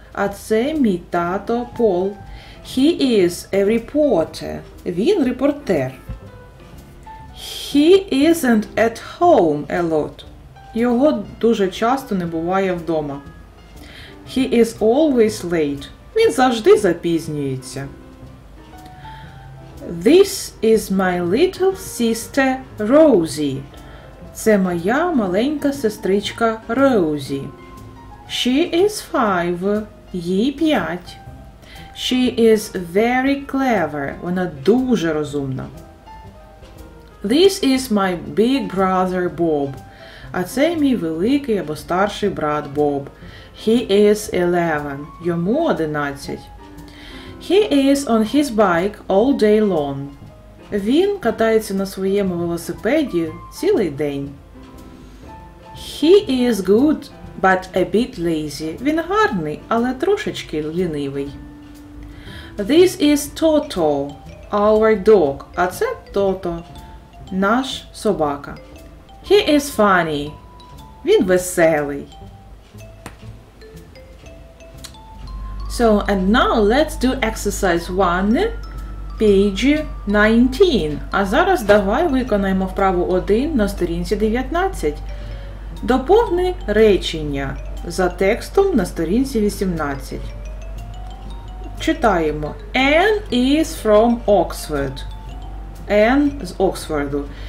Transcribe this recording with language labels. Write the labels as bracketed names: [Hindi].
[Ukrainian] А це мій тато Пол. [English] He is a reporter. [Ukrainian] Він репортер. [English] He isn't at home a lot. [Ukrainian] Його дуже часто не буває вдома. [English] He is always late. [Ukrainian] Він завжди запізнюється. [English] This is my little sister Rosie. [Ukrainian] Це моя маленька сестричка Rosie. [English] She is 5. [Ukrainian] Їй 5. [English] She is very clever. [Ukrainian] Вона дуже розумна. [English] This is my big brother Bob. [Ukrainian] А це мій великий або старший брат Bob. [English] He is 11. [Ukrainian] Йому 11. [English] He is on his bike all day long. [Ukrainian] Він катається на своєму велосипеді цілий день. [English] He is good. But a bit lazy. [Ukrainian] Він гарний, але трошечки лінивий. [English] This is Toto, our dog. [Ukrainian] А це Toto, наш собака. [English] He is funny. [Ukrainian] Він веселий. [English] So, and now let's do exercise 1, page 19. [Ukrainian] А зараз давай виконаємо вправу 1 на сторінці 19. Доповни речення за текстом на сторінці 18. Читаємо. [English] Anne is from Oxford. [Ukrainian] Anne з Оксфорду.